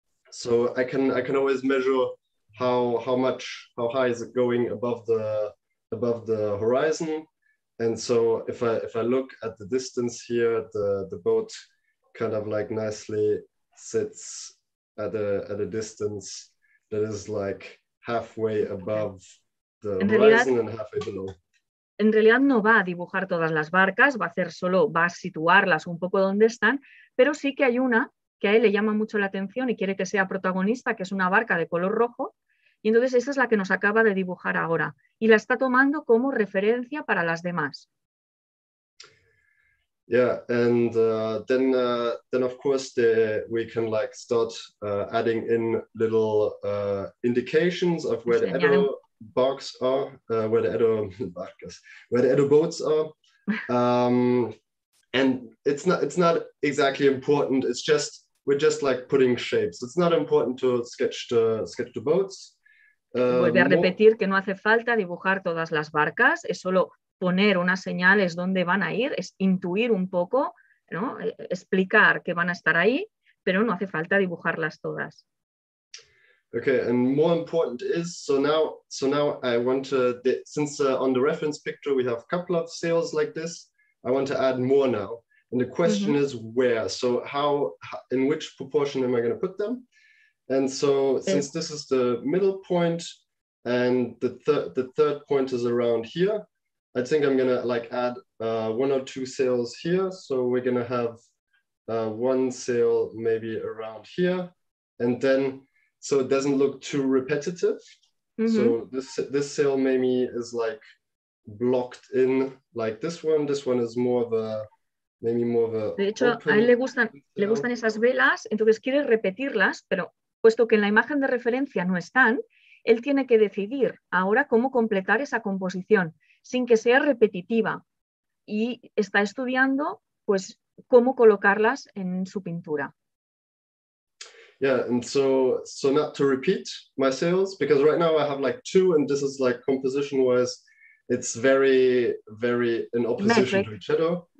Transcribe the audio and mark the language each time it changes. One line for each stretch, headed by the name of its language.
English: So I can always measure how high is it going above the horizon. And so if I look at the distance here, the boat kind of like nicely sits at a distance that is like halfway above the horizon and halfway below.
Spanish: En realidad no va a dibujar todas las barcas, va a situarlas un poco donde están, pero sí que hay una que a él le llama mucho la atención y quiere que sea protagonista, que es una barca de color rojo, y entonces esa es la que nos acaba de dibujar ahora, y la está tomando como referencia para las demás.
English: Yeah, and then of course we can like start adding in little indications of where the arrow barks are, where the arrow boats are. And it's not exactly important. It's just we're just like putting shapes. It's not important to sketch the boats.
Spanish: Vuelve a repetir que no hace falta dibujar todas las barcas. Es solo poner unas señales dónde van a ir, es intuir un poco, ¿no? Explicar que van a estar ahí, pero no hace falta dibujarlas todas.
English: Okay, and more important is so now I want to since on the reference picture we have a couple of sails like this, I want to add more now. And the question mm-hmm. is where? So how in which proportion am I going to put them? And so since this is the middle point and the third point is around here, I think I'm gonna like add one or two sails here. So we're gonna have one sail maybe around here. And then, so it doesn't look too repetitive. Mm-hmm. So this sail maybe is like blocked in like this one. This one is more of a
Spanish: De hecho, a él le gustan esas velas, entonces quiere repetirlas, pero puesto que en la imagen de referencia no están, él tiene que decidir ahora cómo completar esa composición sin que sea repetitiva, y está estudiando pues cómo colocarlas en su pintura.
English: Yeah, and so not to repeat my sales, because right now I have like two, and this is like composition wise, it's very, very in opposition to each other.